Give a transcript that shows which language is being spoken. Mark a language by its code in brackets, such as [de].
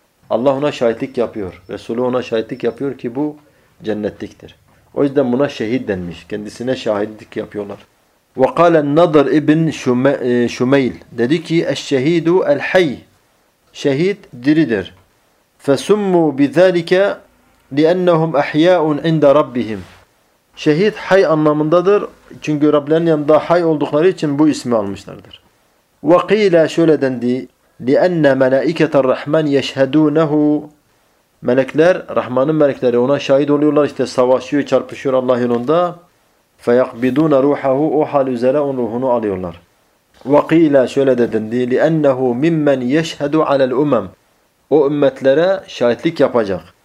[tr] Allah ona şahitlik yapıyor. Resulü ona şahitlik yapıyor ki bu cennettiktir. O yüzden buna şehit denmiş. Kendisine şahitlik yapıyorlar. [ar] وقال النضر ابن شميل [tr] dedi ki [ar] الشهيد الحي شهيد [tr] diridir. [ar] فسموا بذلك لأنهم أحياء عند ربهم. شهيد حي [tr] anlamındadır. Çünkü Rablerinin yanında hay oldukları için bu ismi almışlardır. [ar] وقيل [tr] şöyle dendi. [ar] لأن ملائكة الرحمن يشهدونه. [tr] Melekler, Rahman'ın melekleri ona şahit oluyorlar. İşte savaşıyor, çarpışıyor Allah yolunda. [ar] فيقبضون روحه [tr] o hal üzere onun ruhunu alıyorlar. [ar] وقيل [tr] şöyle dedendi [ar] لأنه ممن يشهد على الأمم [tr] o ümmetlere şahitlik yapacak.